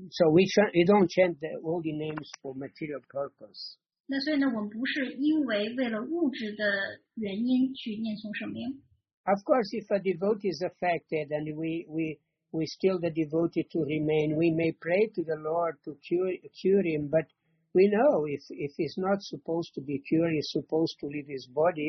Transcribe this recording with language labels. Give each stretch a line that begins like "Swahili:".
English: we don't chant the holy names for material purpose.
Chinese: 那所以呢，我们不是因为为了物质的原因去念诵圣名。Of
English: course, if a devotee is affected and we still the devotee to remain, we may pray to the Lord to cure him. But we know if he's not supposed to be cured, he's supposed to leave his body.